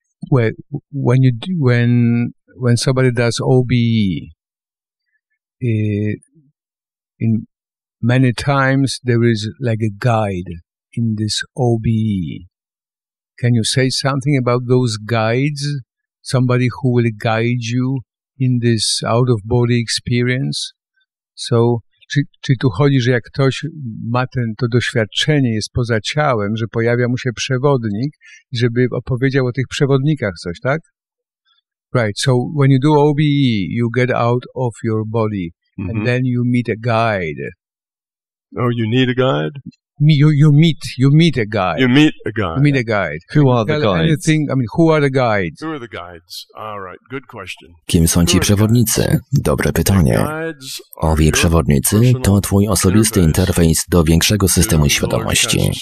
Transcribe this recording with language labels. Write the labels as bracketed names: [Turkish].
[English] Well, when somebody does OBE, in many times there is like a guide in this OBE. Can you say something about those guides? Somebody who will guide you in this out-of-body experience? [Polish] So, czy tu chodzi, że jak ktoś ma to doświadczenie, jest poza ciałem, że pojawia mu się przewodnik, żeby opowiedział o tych przewodnikach coś, tak? [English] Right, so when you do OBE, you get out of your body, mm-hmm. and then you meet a guide. Oh, you need a guide? You meet a guide. You meet a guide. You meet a guide. Who are the guides? Anything, I mean, who are the guides? Who are the guides? All right, good question. [Polish] Kim są ci przewodnicy? Dobre pytanie. Owi przewodnicy to twój osobisty interfejs do większego systemu świadomości.